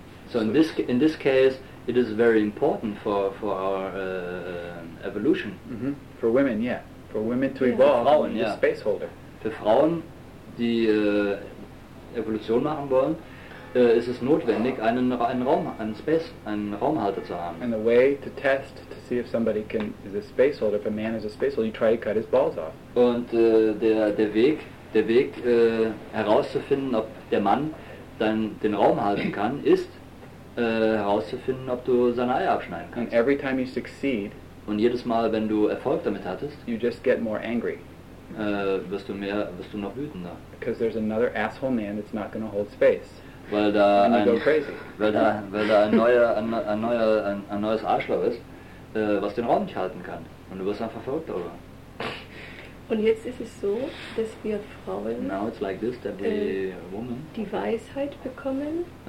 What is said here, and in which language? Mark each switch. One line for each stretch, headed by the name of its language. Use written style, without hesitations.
English: So in this case, it is very important for our evolution. Mm-hmm. For women, yeah. For women to evolve, for Frauen, yeah. The space holder.
German: Für Frauen, die Evolution machen wollen, ist es notwendig, einen Raumhalter zu haben.
English: And the way to test to see if somebody can is a space holder, if a man is a space holder, you try to cut his balls off.
German: Und der Weg herauszufinden, ob der Mann dann den Raum halten kann, ist herauszufinden, ob du seine Eier abschneiden kannst.
English: And every time you succeed,
German: und jedes Mal, wenn du Erfolg damit hattest,
English: you just get more angry.
German: Wirst du noch wütender.
English: Because there's another asshole man that's not going to hold space.
German: Weil da
English: and
German: ein,
English: go crazy.
German: Weil da ein neues Arschloch ist, was den Raum nicht halten kann. Und du wirst einfach verrückt darüber. Und jetzt ist es so, dass wir Frauen
English: now it's like this, that woman,
German: die Weisheit bekommen,